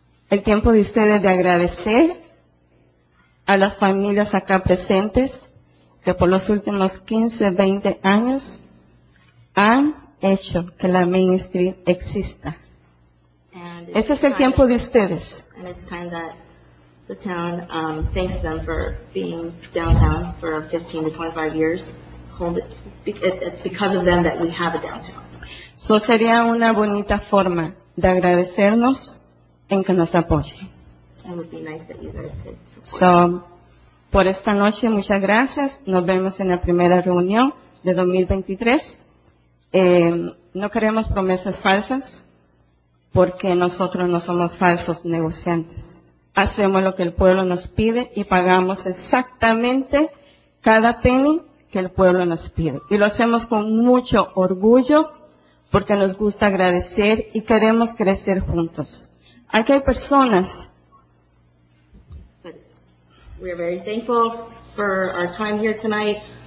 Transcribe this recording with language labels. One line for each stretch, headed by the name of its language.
Spanish: El tiempo de ustedes de agradecer a las familias acá presentes que por los últimos 15, 20 años han hecho que la Main Street exista. Ese es el tiempo de ustedes.
English: And it's time that the town thanks them for being downtown for 15 to 25 years. It's because of them that we have a downtown.
Spanish: So sería una bonita forma de agradecernos en que nos apoyen.
English: It would be nice that you guys could support.
Spanish: So, por esta noche, muchas gracias. Nos vemos en la primera reunión de 2023. No queremos promesas falsas porque nosotros no somos falsos negociantes. Hacemos lo que el pueblo nos pide y pagamos exactamente cada penny que el pueblo nos pide. Y lo hacemos con mucho orgullo porque nos gusta agradecer y queremos crecer juntos. Aquí hay personas.
English: We are very thankful for our time here tonight.